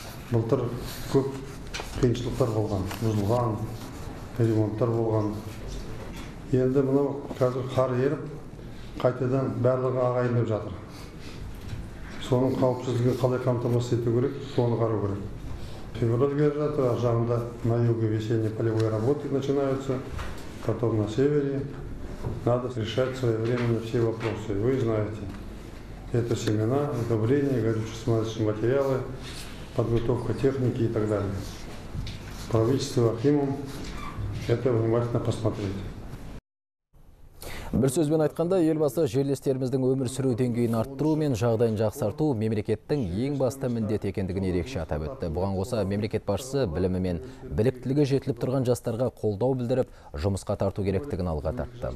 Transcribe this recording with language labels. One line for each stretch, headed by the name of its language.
Kazakh: Былтыр көп қиыншылықтар болған, бұзылған, ремонттар болған. Енді мынау қазір қар еріп, қайтадан барлығы ағайындап жатыр. Соның қауіпсіздігін қалай қамтамасыз ету керек, соны қарау керек. Февраль келе жатыр, ар жағында
Russian: на юге весенние полевые работы начинаются, потом на севере. Надо решать своевременно все вопросы. Вы знаете, это семена, удобрения, горюче-смазочные материалы, подготовка техники и так далее. Правительство Ахимом это внимательно посмотреть.
Kazakh: Бір сөзбен айтқанда, елбасы жерлестеріміздің өмір сүру деңгейін арттыру мен жағдайын жақсарту мемлекеттің ең басты міндет екендігін ерекше атап өтті. Бұған қоса мемлекет басшысы білімі мен біліктілігі жетіліп тұрған жастарға қолдау білдіріп, жұмысқа тарту керектігін алға тартты.